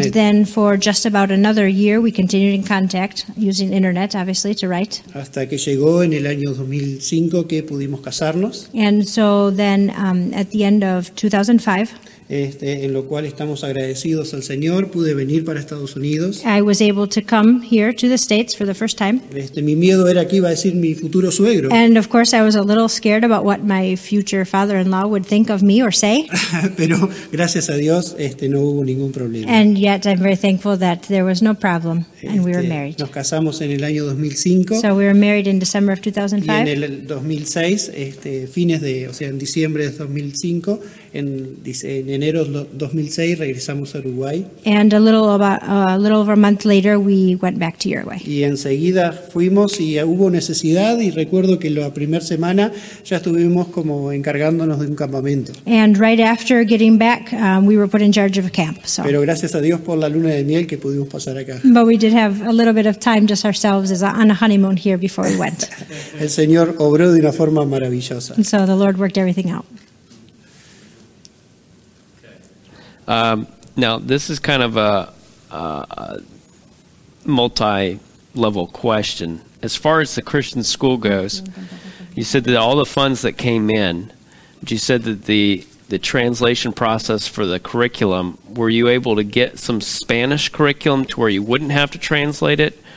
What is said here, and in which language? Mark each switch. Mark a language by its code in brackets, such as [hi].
[en] And then for just about another year we continued in contact using internet, obviously, to write. [es] Hasta que llegó en el año 2005 que pudimos casarnos. [en] And so then at the end of 2005. [es] En lo cual estamos agradecidos al Señor, pude venir para Estados Unidos. [en] I was able to come here to the States for the first time. [es] Mi miedo era que iba a decir mi futuro suegro. [en] And of course I was a little scared about what my future father-in-law would think of me or say. [es] Pero gracias a Dios, no hubo ningún problema. [en] And yet I'm very thankful that there was no problem, and we were married. [es] Nos casamos en el año 2005. [en] So we were married in December of 2005. [es] Y en el 2006, fines de, o sea, en diciembre de 2005, en enero de 2006 regresamos a Uruguay. [en] And a little over a month later we went back to Uruguay. [es] Y enseguida fuimos y hubo necesidad, y recuerdo que la primera semana ya estuvimos como encargándonos de un campamento. [en] And right after getting back, we were put in charge of a camp. So. [es] Pero gracias a Dios por la luna de miel que pudimos pasar acá. [en] But we did have a little bit of time just ourselves on a honeymoon here before we went. [es] El Señor obró de una forma maravillosa. [en] And so the Lord worked everything out. Now, this is kind of a multi-level question. As far as the Christian school goes, you said that all the funds that came in, but you said that the translation process for the curriculum, were you able to get some Spanish curriculum to where you wouldn't have to translate it?